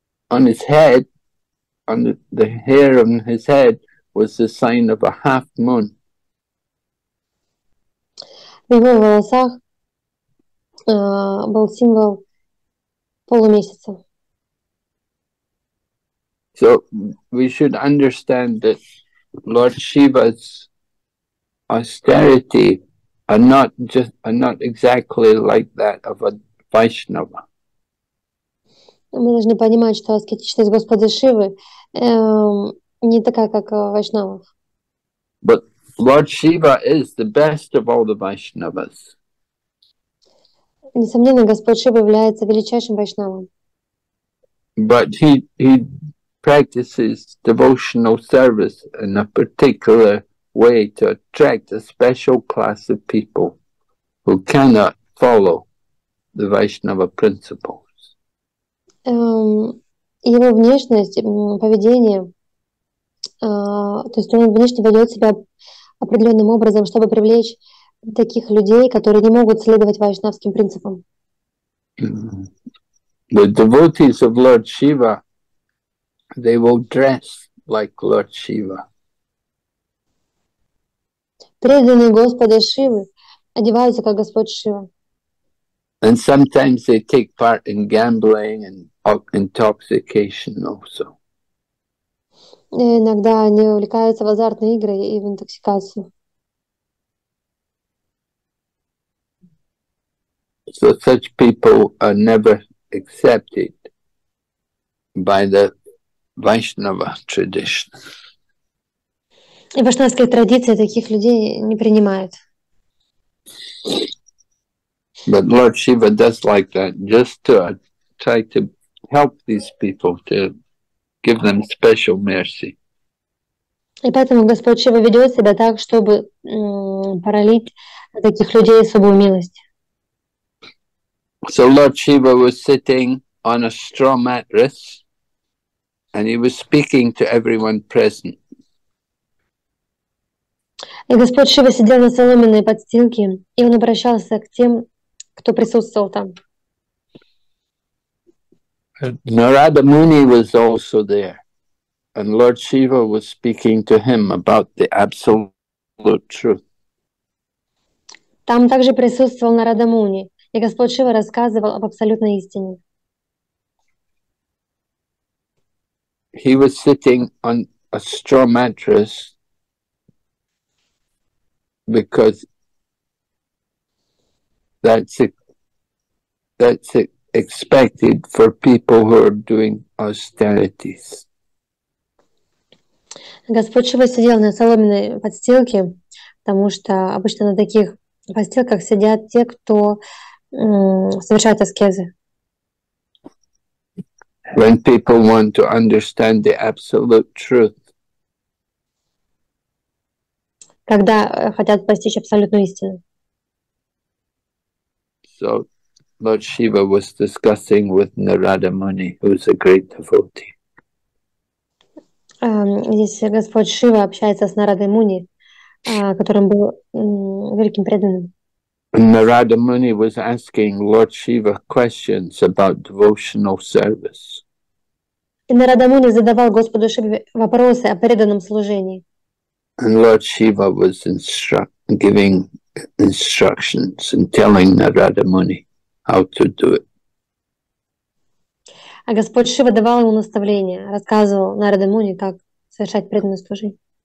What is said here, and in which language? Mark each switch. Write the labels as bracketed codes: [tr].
[en] On his head, on the hair on his head was the sign of a half moon. [ru] В его волосах был символ полумесяца. [en] So we should understand that Lord Shiva's austerity are not exactly like that of a Vaishnava. [ru] Мы должны понимать, что аскетичность Господа Шивы не такая, как у вайшнавов. [en] But Lord Shiva is the best of all the Vaishnavas. [ru] Несомненно, Господь Шива является величайшим вайшнавом. [en] But he practices devotional service in a particular way to attract a special class of people who cannot follow the Vaishnava principles. [ru] Его внешность, поведение, то есть он внешне ведет себя определенным образом, чтобы привлечь таких людей, которые не могут следовать вайшнавским принципам. [en] The devotees of Lord Shiva, they will dress like Lord Shiva. [ru] Преданные Господа Шивы одеваются как Господь Шива. [en] And sometimes they take part in gambling and intoxication also. [ru] И иногда они увлекаются в азартные игры и в интоксикацию. [en] So such people are never accepted by the Vaishnava tradition. [ru] И вайшнавские традиции таких людей не принимают. [en] But Lord Shiva does like that just to try to help these people, to give them special mercy. [ru] И поэтому Господь Шива ведет себя так, чтобы пролить на таких людей особую милость. [en] So Lord Shiva was sitting on a straw mattress, and he was speaking to everyone present. [ru] И Господь Шива сидел на соломенной подстилке, и он обращался к тем, кто присутствовал там. [en] Narada Muni was also there, and Lord Shiva was speaking to him about the absolute truth. [ru] Там также присутствовал Нарада Муни, и Господь Шива рассказывал об абсолютной истине. [en] He was sitting on a straw mattress because that's it. Expected for people who are doing austerities. [ru] Господь Шива сидел на соломенной подстилке, потому что обычно на таких подстилках сидят те, кто совершает аскезы. [en] When people want to understand the absolute truth. [ru] Когда хотят постичь абсолютную истину. [en] So Lord Shiva was discussing with Narada Muni, who's a great devotee. [ru] Здесь Господь Шива общается с Нарадой Муни, которым был великим преданным. [en] Narada Muni was asking Lord Shiva questions about devotional service. [ru] И Нарада Муни задавал Господу Шиве вопросы о преданном служении. [en] And Lord Shiva was giving instructions and telling Narada Muni how to do it. [ru] А Господь Шива давал ему наставления, рассказывал Нараде Муни, как совершать преданное служение.